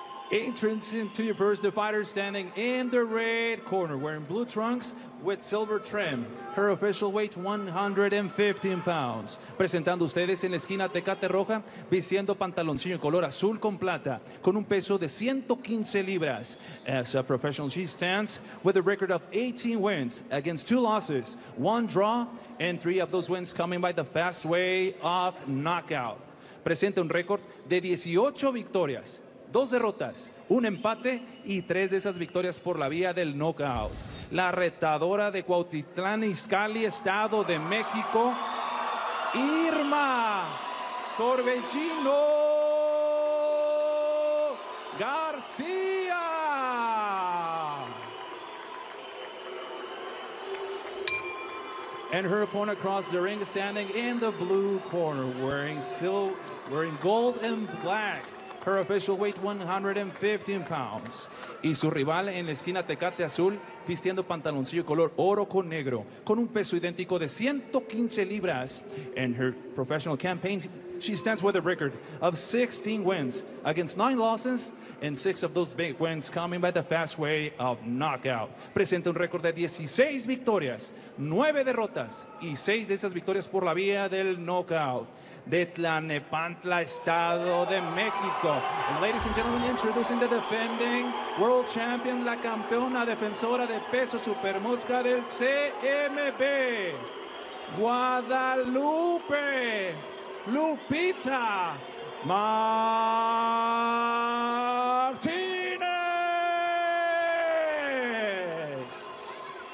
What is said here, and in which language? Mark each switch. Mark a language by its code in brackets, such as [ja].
[en] Entrance into your first, the fighter standing in the red corner, wearing blue trunks with silver trim. Her official weight, 115 pounds. [es] Presentando ustedes en la esquina Tecate Roja, vistiendo pantaloncillo en color azul con plata, con un peso de 115 libras. [en] As a professional, she stands with a record of 18 wins against 2 losses, 1 draw, and 3 of those wins coming by the fast way of knockout. [es] Presenta un récord de 18 victorias, 2 derrotas, 1 empate y 3 de esas victorias por la vía del knockout. La retadora de Cuautitlán Izcalli, Estado de México, Irma Torbellino García. [en] And her opponent across the ring, standing in the blue corner, wearing silver, wearing gold and black. Her official weight, 115 pounds. [es] Y su rival en la esquina Tecate Azul, vistiendo pantaloncillo color oro con negro, con un peso idéntico de 115 libras. [en] In her professional campaign, she stands with a record of 16 wins against 9 losses, and 6 of those big wins coming by the fast way of knockout. [es] Presenta un récord de 16 victorias, 9 derrotas, y 6 de esas victorias por la vía del knockout. De Tlanepantla, Estado de México. [en] And ladies and gentlemen, introducing the defending world champion, [es] la campeona defensora de peso supermosca del CMB, [en] Guadalupe Lupita Martínez.